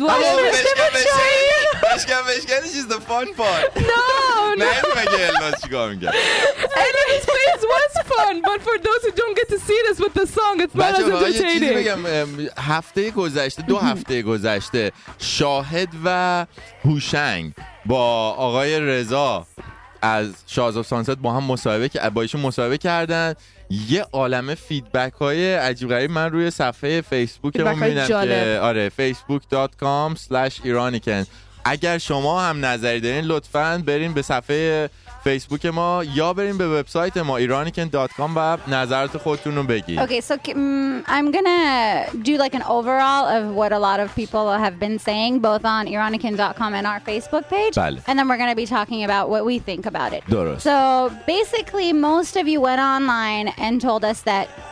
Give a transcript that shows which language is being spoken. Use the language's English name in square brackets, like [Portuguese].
[English] work. Bishkan, this is the fun part. No. And this was fun, but for those who don't get to see this with the song, it's not as entertaining. Two weeks ago, Shahid and Hushang. [Persian] با آقای رضا از شاهز آف سانست با هم مصاحبه کردن. یه عالمه فیدبک های عجیب غریب من روی صفحه فیسبوک رو میبینم که facebook.com/iranican. اگر شما هم نظری دارین لطفاً برین به صفحه فیسبوک ما یا برین به وبسایت ما iranican.com و نظرات خودتون رو بگید. [English] Okay, so I'm gonna do like an overall of what a lot of people have been saying both on iranican.com and our Facebook page. [Persian] بله. [English] And then we're gonna be talking about what we think about it. [Persian] درست. [English] So basically most of you went online and told us that